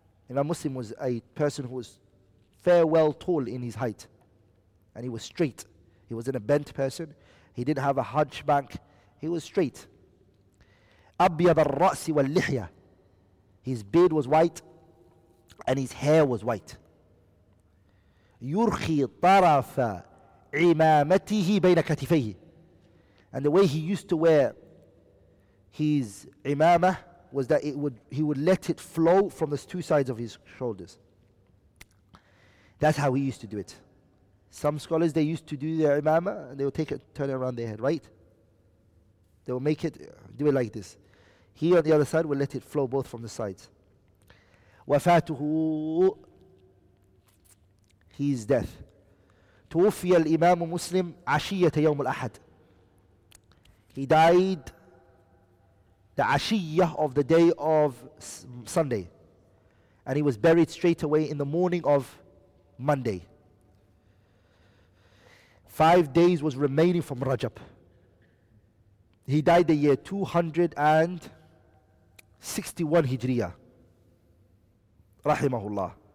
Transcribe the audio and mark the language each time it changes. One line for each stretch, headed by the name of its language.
English: Imam Muslim was a person who was fair well tall in his height. And he was straight. He wasn't a bent person. He didn't have a hunchback. He was straight.
Arabic: أبيض الرأس واللحية.
English: His beard was white and his hair was white.
Arabic: يرخي طرف عمامته بين كتفيه.
English: And the way he used to wear his عمامة was that he would let it flow from the two sides of his shoulders. That's how he used to do it. Some scholars, they used to do their عمامة and they would take it, turn it around their head, right? They would make it, do it like this. He on the other side will let it flow both from the sides.
Arabic: وفاته,
English: his death.
Arabic: توفي الإمام مسلم عشية يوم الأحد.
English: He died the عشية of the day of Sunday. And he was buried straight away in the morning of Monday. 5 days was remaining from Rajab. He died the year 261 Hijriya, rahimahullah.